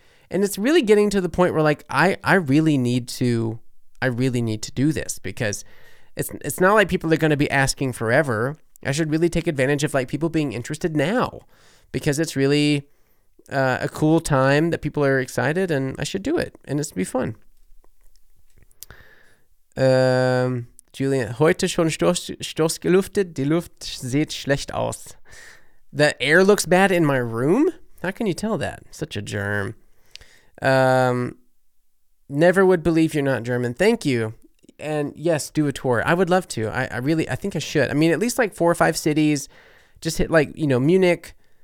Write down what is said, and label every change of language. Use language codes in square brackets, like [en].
[en] And it's really getting to the point where like, I really need to do this because it's not like people are going to be asking forever. I should really take advantage of like people being interested now. Because it's really a cool time that people are excited and I should do it. And it's be fun. [de] Julian, heute schon Stoß gelüftet. Die Luft sieht schlecht aus. [en] The air looks bad in my room? How can you tell that? Such a germ. Never would believe you're not German. Thank you. And yes, do a tour. I would love to. I think I should. I mean, at least like 4 or 5 cities. Just hit like, you know, Munich.